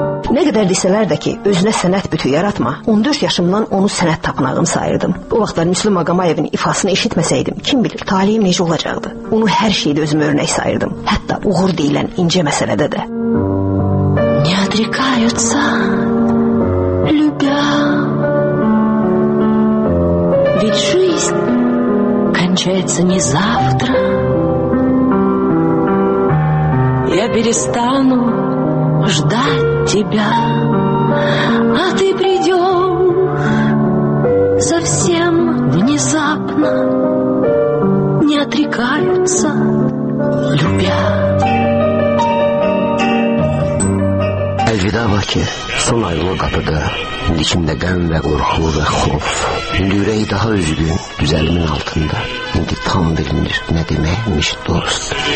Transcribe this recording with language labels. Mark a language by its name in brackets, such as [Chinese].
[Azerbaijani] Nə qədər desələr də ki, özünə sənət bütü yaratma, 14 yaşımdan onu sənət tapınağım sayırdım. Bu vaxtlar Müslüm Ağamayevin ifasını eşitməsəydim, kim bilir, taliyim necə olacaqdı. Onu hər şeydə özümə örnək sayırdım, hətta uğur deyilən incə məsələdə də. [Russian] Не отрекаются любя, ведь жизнь кончается не завтра. Я перестану ждать тебя, а ты придешь совсем внезапно, не отрекаются, любя. [Azerbaijani] Əlvida var ki, son ayılma qapıda, indi içimdə qəm və qorxu və xof, indi ürək daha üzgün düzəlimin altında, indi tam bilinir nə deməkmiş dost.